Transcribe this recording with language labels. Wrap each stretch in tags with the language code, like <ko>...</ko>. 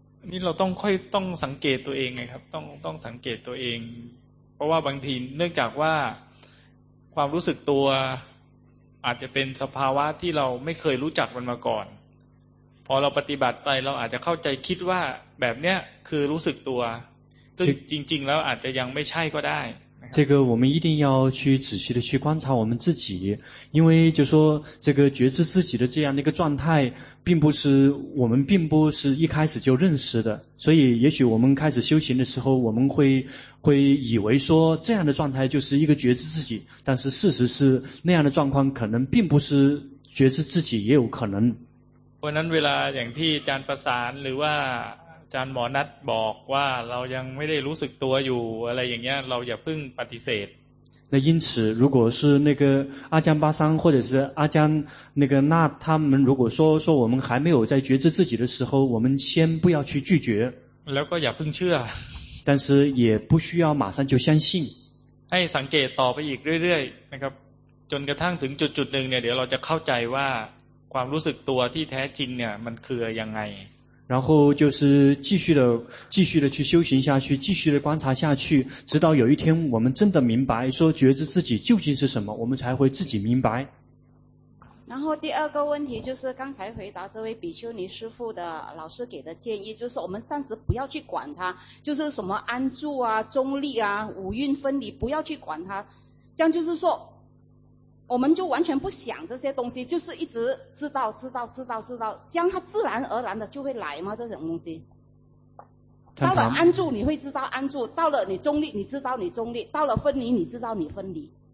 <th>นี่เราต้องค่อยต้องสังเกตตัวเองไงครับต้องสังเกตตัวเองเพราะว่าบางทีเนื่องจากว่าความรู้สึกตัวอาจจะเป็นสภาวะที่เราไม่เคยรู้จักมันมาก่อนพอเราปฏิบัติไปเราอาจจะเข้าใจคิดว่าแบบเนี้ยคือรู้สึกตัวซึ่งจริงๆแล้วอาจจะยังไม่ใช่ก็ได้</th> <zh>这个我们一定要去仔细的去观察我们自己，因为就说这个觉知自己的这样的一个状态，并不是我们并不是一开始就认识的，所以也许我们开始修行的时候，我们会以为说这样的状态就是一个觉知自己，但是事实是那样的状况可能并不是觉知自己，也有可能。</zh> <th>เพราะนั้นเวลาอย่างที่อาจารย์ประสานหรือว่าอาจารย์หมอนัทบอกว่าเรายังไม่ได้รู้สึกตัวอยู่อะไรอย่างเงี้ยเราอย่าเพิ่งปฏิเสธ</th> <zh>那因此如果是那个阿江巴桑或者是阿江那个那他们如果说我们还没有在觉知自己的时候我们先不要去拒绝</zh> <th>แล้วก็อย่าเพิ่งเชื่อ</th> <zh>但是也不需要马上就相信</zh> <th>ให้สังเกตต่อไปอีกเรื่อยๆนะครับจนกระทั่งถึงจุดนึงเนี่ยเดี๋ยวเราจะเข้าใจว่าความรู้สึกตัวที่แท้จริงเนี่ยมันคือยังไง</th> <zh>然后就是继续的去修行下去，继续的观察下去，直到有一天我们真的明白，说觉知自己究竟是什么，我们才会自己明白。然后第二个问题就是刚才回答这位比丘尼师父的老师给的建议，就是我们暂时不要去管它，就是什么安住啊、中立啊、五蕴分离，不要去管它，这样就是说，我们就完全不想这些东西，就是一直知道，这样它自然而然的就会来吗？这种东西，到了安住你会知道安住，到了你中立你知道你中立，到了分离你知道你分离。</zh>